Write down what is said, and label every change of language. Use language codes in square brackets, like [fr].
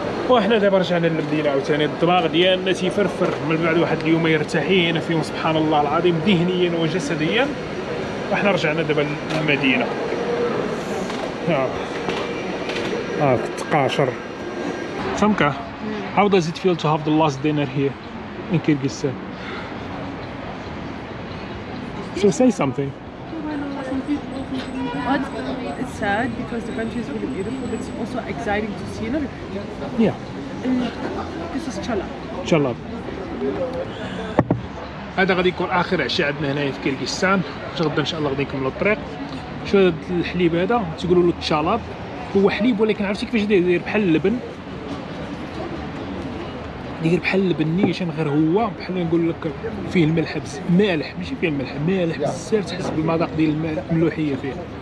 [ar] وحنا دابا رجعنا للمدينه عاوتاني الدماغ ديالنا تيفرفر من بعد واحد اليوم يرتاحين فيهم سبحان الله العظيم ذهنيا وجسديا. وحنا رجعنا دابا للمدينه تقاشر سمكة. [en] How does it feel to have the last dinner here in Kyrgyzstan? So say something. But it's sad because the country is really beautiful, but it's also exciting to see another country. Yeah. This is Chalab. Chalab. [ar] هذا غادي يكون آخر عشاء عندنا هنا في كيرغيزستان. غدا إن شاء الله غادي نكملوا الطريق. شو هذا الحليب هذا؟ تقولوا له تشالاب. هو حليب ولكن عرفتي كيفاش داير بحال اللبن. داير بحال البنيشان غير هو بحال نقول لك فيه الملح بس مالح ماشي فيه الملح مالح بزاف تحس بالمذاق ديال الملوحيه فيه.